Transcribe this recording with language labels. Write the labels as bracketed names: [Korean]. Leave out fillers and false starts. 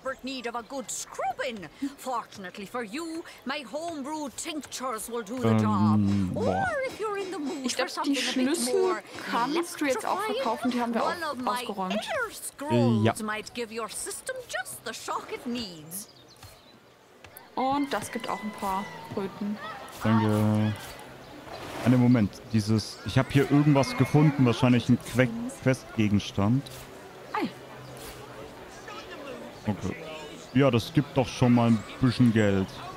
[English] Need of a good scrubbing. Fortunately for you, my homebrew tinctures will do the job. Or if you're in the mood for something a bit more, [German] ich glaube, die Schlüssel kannst du jetzt auch verkaufen. Die haben wir auch ausgeräumt. Ja. [English] Might give your system just the shock it needs. [German] Und das gibt auch ein paar Kröten. Danke. Einen Moment. Dieses. Ich habe hier irgendwas gefunden. Wahrscheinlich ein Questgegenstand. Okay. Ja, das gibt doch schon mal ein bisschen Geld.